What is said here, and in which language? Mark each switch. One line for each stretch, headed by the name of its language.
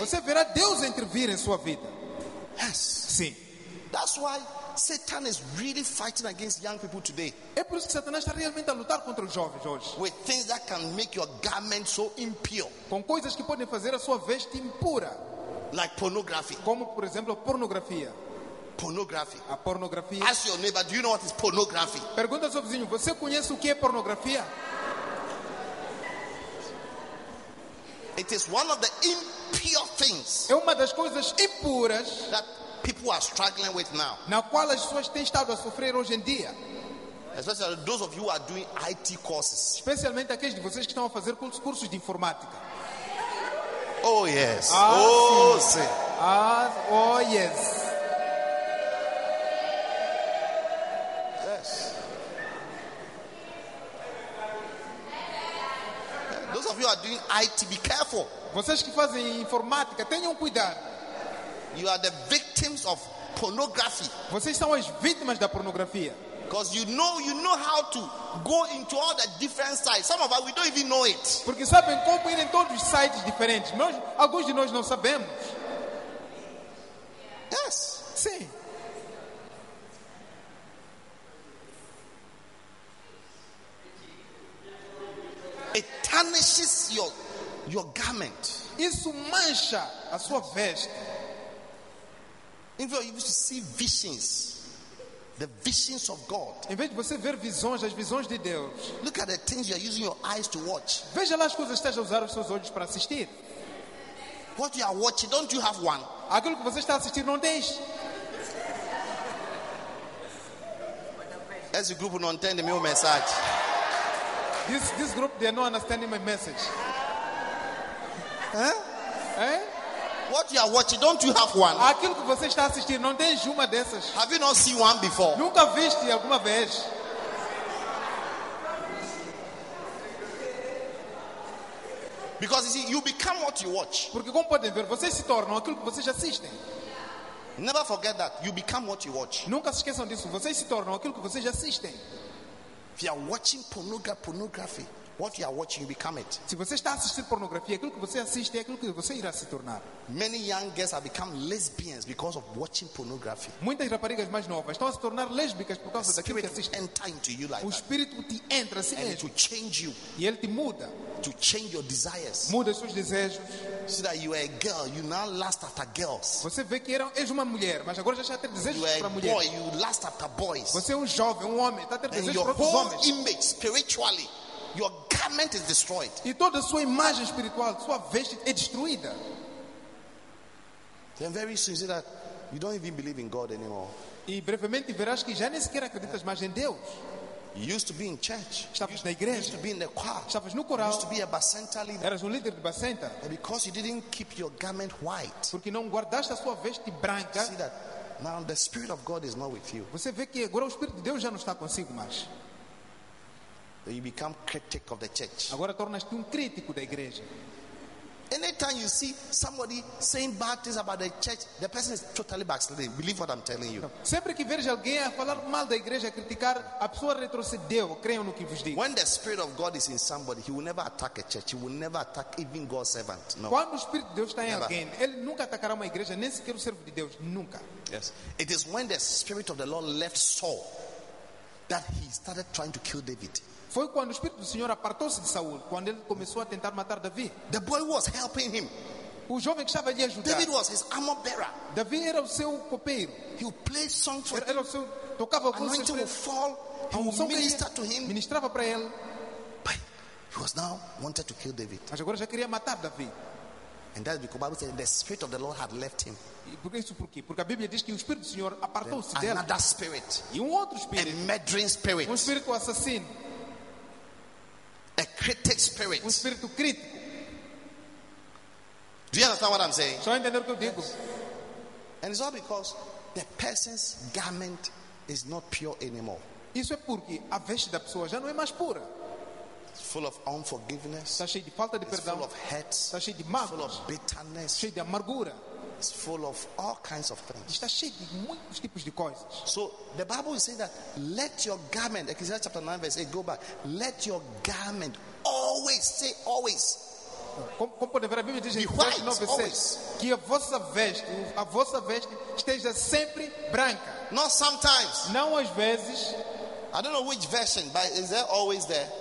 Portuguese: Você verá Deus intervir em sua vida.
English: Yes.
Portuguese: Sim.
English: That's why Satan is really fighting against young people today.
Portuguese: É por isso que Satanás está realmente a lutar contra os jovens hoje.
English: With things that can make your garment so impure.
Portuguese: Com coisas que podem fazer a sua veste impura.
English: Like pornography.
Portuguese: Como por exemplo a pornografia.
English: Pornography.
Portuguese: A pornografia.
English: Ask your neighbor, do you know what is pornography?
Portuguese: Pergunta ao seu vizinho, você conhece o que é pornografia?
English: It is one of the impure things.
Portuguese: É uma das coisas impuras
English: that people are struggling with now.
Portuguese: Na qual as pessoas têm estado a sofrer hoje em dia.
English: Especially those of you who are doing IT courses.
Portuguese: Especialmente aqueles de vocês que estão a fazer cursos de informática.
English: Oh yes. Ah, oh
Portuguese: sim. Ah,
English: oh yes. Yes. Those of you who are doing IT, be careful.
Portuguese: Vocês que fazem informática, tenham cuidado.
English: You are the victims of pornography.
Portuguese: Vocês são as vítimas da pornografia.
English: Because you know how to go into all the different sites. Some of us, we don't even know it.
Portuguese: Porque sabem como ir em todos os sites diferentes. Nós, alguns de nós não sabemos.
English: Yes.
Portuguese: Sim.
English: It tarnishes your garment.
Portuguese: Isso mancha a sua veste.
English: Even if you used to see visions. The visions of God.
Portuguese: Em vez de você ver visões, as visões de Deus.
English: Look at the things you are using your eyes to watch.
Portuguese: Veja lá as coisas que está a usar os seus olhos para assistir.
English: What you are watching, don't you have one?
Portuguese: Aquilo que você está a assistir, não tens? Esse grupo não entende meu mensagem.
English: This group, they are not understanding my message. Huh? Eh? What you are watching, don't you have one?
Portuguese: Aquilo que você está assistindo, não tens uma dessas?
English: Have you not seen one before?
Portuguese: Nunca viste alguma vez?
English: Because you see, you become what you watch.
Portuguese: Porque como podem ver, vocês se tornam aquilo que vocês assistem.
English: Never forget that you become what you watch.
Portuguese: Nunca se esqueçam disso. Vocês se tornam aquilo que vocês assistem.
English: If you are watching pornography, what you are watching, you become it.
Portuguese: Se você está assistindo pornografia, aquilo que você assiste é aquilo que você irá se tornar.
English: Many young girls have become lesbians because of watching pornography.
Portuguese: Muitas raparigas mais novas estão a se tornar lésbicas por causa daquilo que assistem.
English: Enter into you like
Portuguese: o espírito
English: that.
Portuguese: Te entra assim.
English: And it will change you.
Portuguese: E ele te muda.
English: To change your desires.
Portuguese: Muda os seus desejos.
English: So that you are a girl, you now lust after girls.
Portuguese: Você vê que és uma mulher, mas agora já está a ter desejos
English: you
Portuguese: para mulheres.
English: Boy, you lust after boys.
Portuguese: Você é um jovem, um homem, está a ter
English: and
Portuguese: desejos
English: your
Portuguese: para outros homens.
English: Image spiritually. Your garment is destroyed.
Portuguese: E toda a sua imagem espiritual, sua veste é destruída.
English: Then very soon see that you don't even believe in God anymore.
Portuguese: E brevemente verás que já nem sequer acreditas mais em Deus.
English: You used to be in church.
Portuguese: Estavas na igreja.
English: You used to be in the choir.
Portuguese: Estavas no coral.
English: You used to be a bacenta leader.
Portuguese: Eras líder de bacenta.
English: And because you didn't keep your garment white.
Portuguese: Porque não guardaste a sua veste branca.
English: See that now the spirit of God is not with you.
Portuguese: Você vê que agora o espírito de Deus já não está consigo mais.
English: You become critic of the church.
Portuguese: Agora tornas-te crítico da igreja.
English: Anytime you see somebody saying bad things about the church, the person is totally backslidden. Believe what I'm telling you.
Portuguese: Sempre que vejo alguém a falar mal da igreja, a criticar, a pessoa retrocedeu. Creio no que vos digo.
English: When the spirit of God is in somebody, he will never attack a church. He will never attack even God's servant. No.
Portuguese: Quando o espírito de Deus está em
English: never.
Portuguese: Alguém, ele nunca atacará uma igreja, nem sequer o servo de Deus, nunca.
English: Yes. It is when the spirit of the Lord left Saul that he started trying to kill David.
Portuguese: Foi quando o espírito do Senhor apartou-se de Saul, quando ele começou a tentar matar Davi.
English: The boy was helping him.
Portuguese: O jovem que estava ali a ajudar.
English: David was his armor bearer.
Portuguese: Davi era o seu copeiro.
English: He would play songs for him.
Portuguese: Seu, tocava com
English: anointing
Portuguese: seus
English: would fall. He would minister to him.
Portuguese: Ministrava para ele.
English: But he was now wanted to kill David.
Portuguese: Mas agora já queria matar Davi.
English: And that's because the Bible said the spirit of the Lord had left him.
Portuguese: Porque a Bíblia diz que o espírito do Senhor apartou-se dele.
English: Another spirit.
Portuguese: E outro espírito.
English: A murdering spirit.
Portuguese: Espírito assassino.
English: A critic spirit.
Portuguese: Um espírito crítico.
English: Do you understand what I'm saying?
Portuguese: Só entender o que eu digo.
English: Yes. And it's all because the person's garment is not pure anymore.
Portuguese: Isso é porque a veste da pessoa já não é mais pura.
English: It's full of unforgiveness.
Portuguese: Está cheio de falta de perdão.
English: It's full of hate.
Portuguese: Está cheio de mágoa.
English: Full of bitterness.
Portuguese: Cheio de amargura.
English: It's full of all kinds of things.
Portuguese: Está cheio de muitos tipos de coisas.
English: So the Bible is saying that let your garment, Ecclesiastes chapter 9 verse 8, go back. Let your garment always, say always.
Portuguese: Como pode ver a Bíblia diz em Ecclesiastes 9
English: verse 6,
Portuguese: que a vossa veste esteja sempre branca.
English: Not sometimes.
Portuguese: Não às vezes.
English: I don't know which version, but is there always there?